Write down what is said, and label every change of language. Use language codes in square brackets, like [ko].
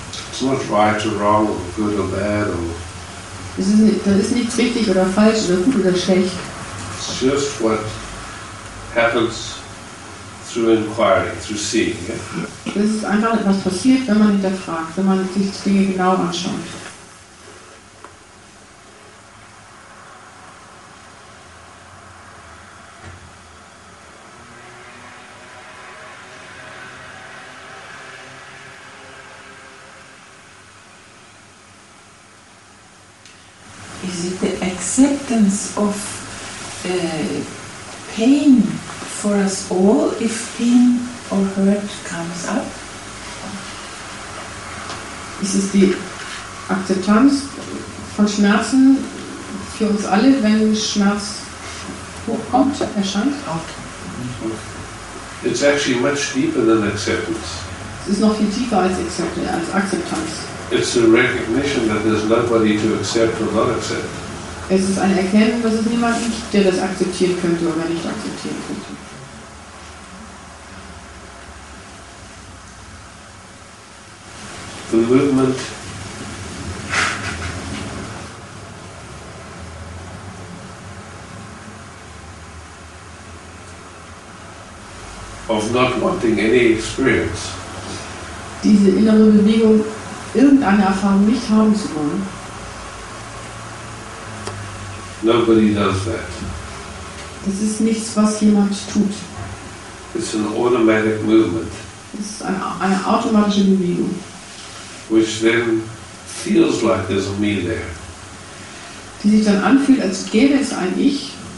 [en] It's not right or wrong, or good or bad, or. [de] Das ist nichts richtig oder falsch oder gut oder schlecht. [en] It's just what happens through inquiry, through seeing. Yeah? [de] Das ist einfach etwas passiert, wenn man hinterfragt, wenn man sich die Dinge genau anschaut. [en] Acceptance of pain for us all if pain or hurt comes up. Is it the acceptance of [de] von Schmerzen für uns alle, wenn Schmerz hochkommt, erscheint? [en] It's actually much deeper than acceptance. [de] Es ist noch viel tiefer als Akzeptanz. Als Akzeptanz. [en] It's a recognition that there's nobody to accept or not accept. [de] Es ist ein Erkennen, dass es niemanden gibt, der das akzeptieren könnte oder nicht akzeptieren könnte. [en] The movement of not wanting any experience. [de] Diese innere Bewegung, irgendeine Erfahrung nicht haben zu wollen. [en] Nobody does that. [de] Das ist nichts, was jemand tut. [en] It's an automatic movement. [de] Es ist eine automatische Bewegung. [en] Which then feels like there's a me there. [de] Die sich dann anfühlt, als gäbe es ein Ich.